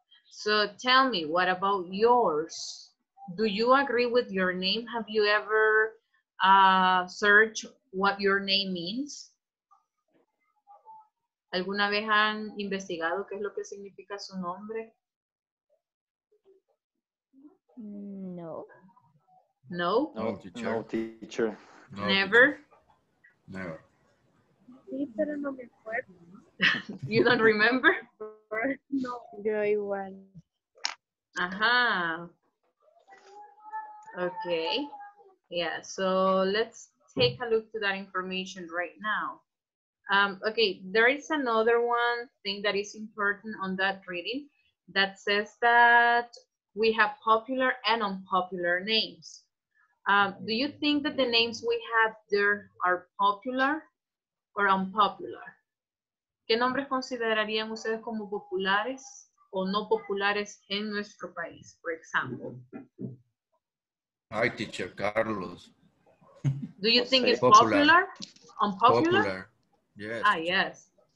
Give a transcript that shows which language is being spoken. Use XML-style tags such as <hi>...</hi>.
<en>So tell me, what about yours? Do you agree with your name? Have you ever search what your name means?</en> <es>¿Alguna vez han investigado qué es lo que significa su nombre? No. No?</es> <en>No, teacher. No, teacher. No, never? Never.</en> <es>Sí, pero no me acuerdo.</es> <en>You don't remember?</en> <es>No, yo igual. Ajá. Okay.</es> <en>Yeah, so let's take a look to that information right now. Okay, there is another one thing that is important on that reading that says that we have popular and unpopular names. Do you think that the names we have there are popular or unpopular?</en> <es>¿Qué nombres considerarían ustedes como populares o no populares en nuestro país,</es> <en>for example? Hi, teacher, Carlos. Do you think it's popular? Unpopular? Yes. Ah, yes.</en>